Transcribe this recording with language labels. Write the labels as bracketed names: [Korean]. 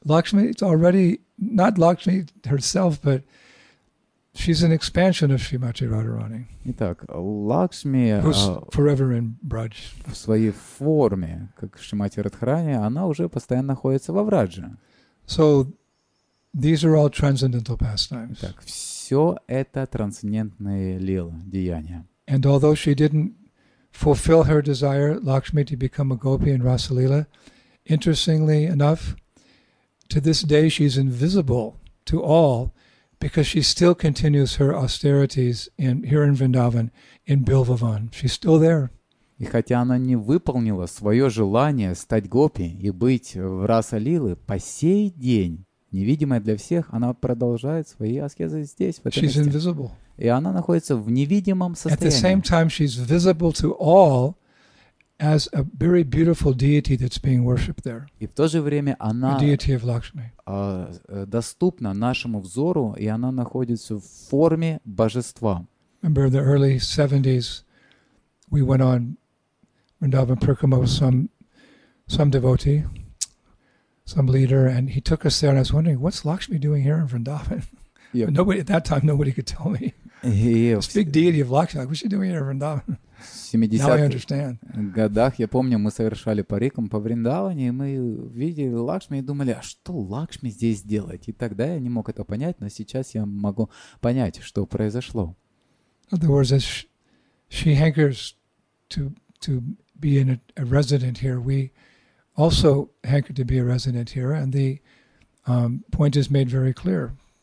[English] Лакшми, it's already not Lakshmi herself, but she's an expansion of Shrimati Radharani. [Russian] Итак, Лакшми [English] forever in Braj. [Russian] В своей форме, как Шримати Радхарани, она уже постоянно находится во Враже. [English] So these are all transcendental pastimes. [Russian] Итак, все это трансцендентные лила, деяния. [English] And although she didn't fulfill her desire, Lakshmi, to become a gopi in Rasalila, interestingly enough, to this day she's invisible to all because she still continues her austerities here in Vrindavan, in Bilvavan. She's still there. [Russian] И хотя она не выполнила свое желание стать гопи и быть в Расалиле, по сей день, невидимая для всех, она продолжает свои аскезы здесь, в этом [English] she's [Russian] месте. [English] Invisible. [Russian] И она находится в невидимом состоянии. [English] At the same time, she's visible to all as a very beautiful deity that's being worshipped there. [Russian] И в то же время она [English] deity of Lakshmi. [Russian] Доступна нашему взору, и она находится в форме божества. [English] Remember in the early 70s, we went on Vrindavan Parikrama with some devotee, some leader, and he took us there, and I was wondering, what's Lakshmi doing here in Vrindavan? Yep. But nobody at that time, nobody could tell me. It's big deity of Lakshmi. Like, what is she doing here in Vrindavan? Now I understand. [Russian] Годах я помню, мы совершали парикам по Вриндаване, и мы видели Лакшми и думали, а что Лакшми здесь делает? И тогда я не мог это понять, но сейчас я могу понять, что произошло. [English] In other words, as she hankers to be in a resident here, we also hanker to be a resident here, and the point is made very clear.